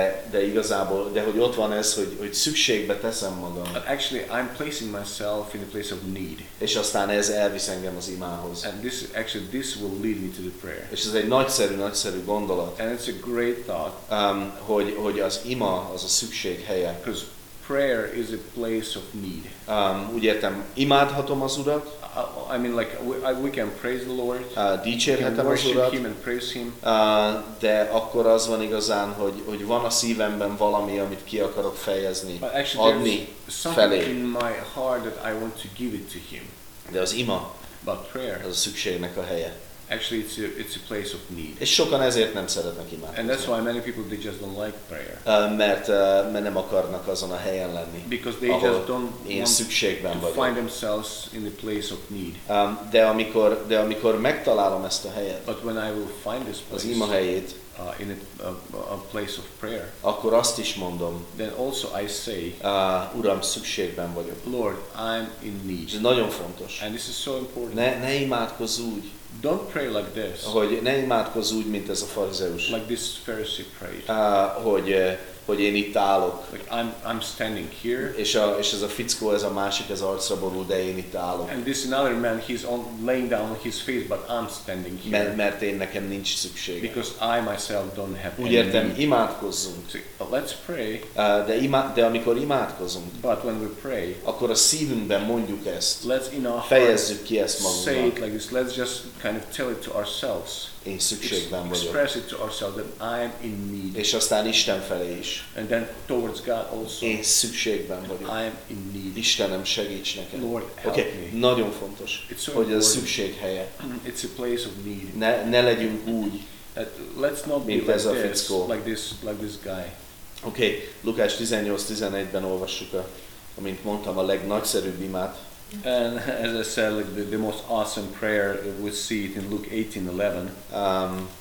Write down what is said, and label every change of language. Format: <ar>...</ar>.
<hu>De igazából, de hogy ott van ez, hogy szükségbe teszem magam.</hu> <en>But actually I'm placing myself in a place of need.</en> <hu>És aztán ez elvisz engem az imához.</hu> <en>And this will lead me to the prayer.</en> <hu>És ez egy nagyszerű gondolat.</hu> <en>And it's a great thought.</en> <hu>Hogy az ima az a szükség helye.</hu> <en>Because prayer is a place of need.</en> <hu>Úgy értem, imádhatom az Urat.</hu> <en>I mean, like we can praise the Lord.</en> <hu>Dicsérhetem az Urat.</hu> <en>Him and praise him.</en> <hu>De akkor az van igazán, hogy van a szívemben valami, amit ki akarok fejezni, adni felé.</hu> <en>In my heart that I want to give it to him.</en> <hu>De az ima.</hu> <en>But prayer.</en> <hu>Az a szükségnek a helye.</hu> <en>Actually it's a place of need.</en> <hu>És sokan ezért nem szeretnek imádni.</hu> <en>And that's why many people, they just don't like prayer.</en> <hu>Mert nem akarnak azon a helyen lenni.</hu> <en>Because they just don't</en> <hu>szükségben vagyok.</hu> <en>Find themselves in the place of need.</en> <hu>De amikor megtalálom ezt a helyet.</hu> <en>But when I will find this place,</en> <hu>az ima helyét,</hu> <en>in a place of prayer.</en> <hu>Akkor azt is mondom.</hu> <en>Then also I say,</en> <hu>Uram, szükségben vagyok.</hu> <en>Lord, I'm in need.</en> <hu>Ez nagyon fontos.</hu> <en>And this is so important.</en> <hu>Ne imádkozz úgy.</hu> <en>Don't pray like this.</en> <hu>Hogy ne imádkozz úgy, mint ez a farizeus.</hu> <en>Like this Pharisee prayed.</en> <hu>Hogy én itt állok.</hu> <en>Like I'm standing here.</en> <hu>És ez a fickó, ez a másik, ez arcra borul, de én itt állok.</hu> <en>And this another man, he's on laying down his face, but I'm standing here.</en> <hu>Mert én nekem nincs szükségem.</hu> <en>Because I myself don't have.</en> <hu>Úgy értem, imádkozzunk.</hu> <en>So, let's pray.</en> <hu>De amikor imádkozunk.</hu> <en>But when we pray,</en> <hu>akkor a szívünkben mondjuk ezt.</hu> <en>Let's in our</en> <hu>fejezzük ki ezt magunknak.</hu> <en>Say it like this. Let's just kind of tell it to ourselves.</en> <hu>Én szükségben vagyok.</hu> <en>Express it to ourselves that I am in need.</en> <hu>És aztán Isten felé is.</hu> <en>And then towards God also.</en> <hu>Én szükségben vagyok.</hu> <en>I am in need.</en> <hu>Istenem, segíts nekem.</hu> <en>Lord, help okay. me.</en> <hu>Nagyon fontos,</hu> <en>it's so</en> <hu>hogy</hu> <en>important.</en> <hu>A szükség helye.</hu> <en>It's a place of need.</en> <hu>Ne legyünk úgy.</hu> <en>Let's not be like</en> <hu>ez a fickó.</hu> <en>Like this guy. Okay.</en> <hu>Lukács 18:11-ben olvassuk amint mondtam, a legnagyszerűbb imát.</hu> <en>And as I said, like the most awesome prayer, we see it in Luke 18:11.</en>